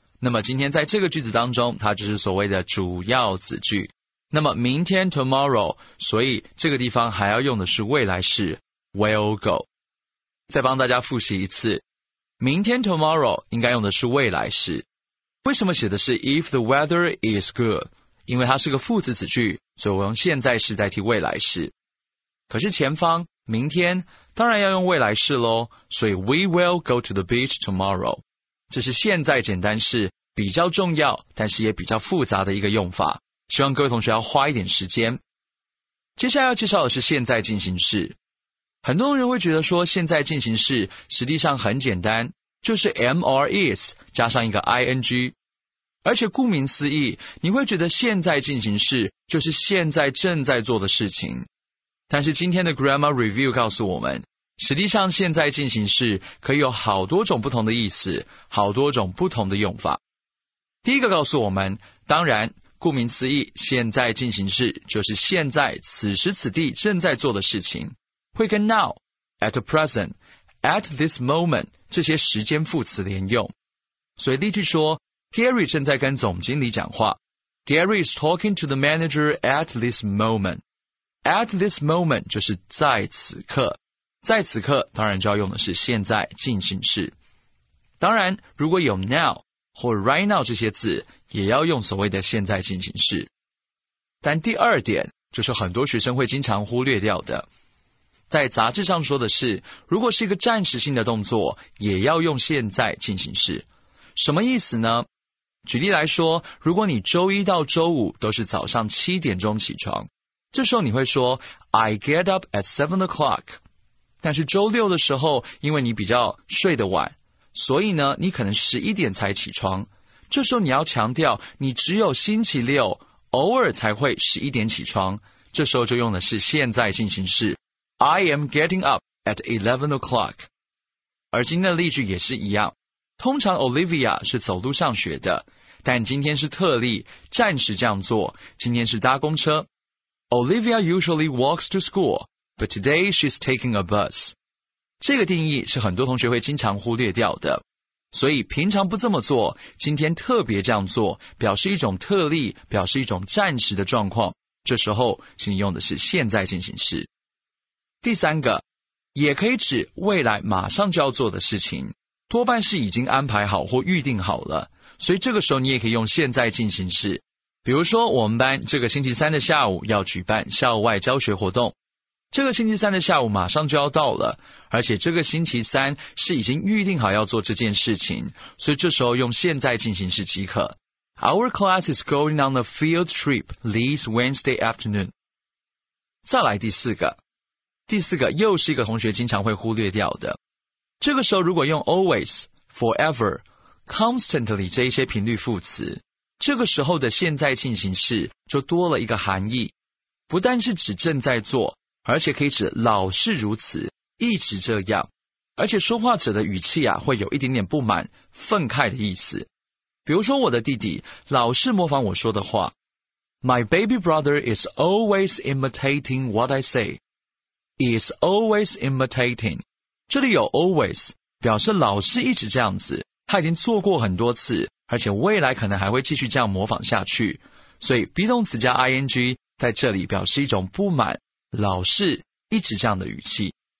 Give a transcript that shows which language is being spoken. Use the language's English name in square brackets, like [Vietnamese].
[Chinese] 那么今天在这个句子当中，它就是所谓的主要子句。那么明天 tomorrow， 所以这个地方还要用的是未来式 [English] will go。 [Chinese] 再帮大家复习一次，明天 tomorrow 应该用的是未来式。为什么写的是 [English] if the weather is good？ [Chinese] 因为它是个副词子句，所以我用现在式代替未来式。可是前方明天当然要用未来式咯，所以 [English] we will go to the beach tomorrow， [Chinese] 这是现在简单式比较重要但是也比较复杂的一个用法，希望各位同学要花一点时间。接下来要介绍的是现在进行式。很多人会觉得说现在进行式实际上很简单，就是 [English] am or is [Chinese] 加上一个 ing， 而且顾名思义你会觉得现在进行式就是现在正在做的事情，但是今天的 grammar review 告诉我们，实际上现在进行式可以有好多种不同的意思，好多种不同的用法。第一个告诉我们，当然顾名思义现在进行式就是现在此时此地正在做的事情，会跟 now、 at present、 at this moment 这些时间副词连用。所以例句说 [English] Gary [Chinese] 正在跟总经理讲话， [English] Gary is talking to the manager at this moment。 [Chinese] at this moment 就是在此刻，在此刻当然就要用的是现在进行式。当然如果有 now 或 right now 这些字也要用所谓的现在进行式。但第二点就是很多学生会经常忽略掉的，在杂志上说的是如果是一个暂时性的动作也要用现在进行式。什么意思呢？举例来说，如果你周一到周五都是早上七点钟起床，这时候你会说 [English] I get up at 7 o'clock， [Chinese] 但是周六的时候因为你比较睡得晚，所以呢你可能11点才起床，这时候你要强调你只有星期六偶尔才会11点起床，这时候就用的是现在进行式 [English] I am getting up at 11 o'clock。 [Chinese] 而今天的例句也是一样，通常 Olivia 是走路上学的，但今天是特例暂时这样做，今天是搭公车。 [English] Olivia usually walks to schoolBut today she's taking a bus。 [Chinese] 这个定义是很多同学会经常忽略掉的，所以平常不这么做，今天特别这样做，表示一种特例，表示一种暂时的状况，这时候请你用的是现在进行式。第三个，也可以指未来马上就要做的事情，多半是已经安排好或预定好了，所以这个时候你也可以用现在进行式。比如说我们班这个星期三的下午要举办校外教学活动，这个星期三的下午马上就要到了，而且这个星期三是已经预定好要做这件事情，所以这时候用现在进行式即可。 [English] Our class is going on a field trip this Wednesday afternoon。 [Chinese] 再来第四个，第四个又是一个同学经常会忽略掉的，这个时候如果用 always、 forever、 constantly 这一些频率副词，这个时候的现在进行式就多了一个含义，不但是指正在做，而且可以指老是如此，一直这样，而且说话者的语气啊，会有一点点不满、愤慨的意思。比如说我的弟弟老是模仿我说的话， [English] My baby brother is always imitating what I say. Is always imitating. [Chinese] 这里有 always 表示老是一直这样子，他已经做过很多次，而且未来可能还会继续这样模仿下去。所以 be 动词加 ing 在这里表示一种不满，老是一直这样的语气。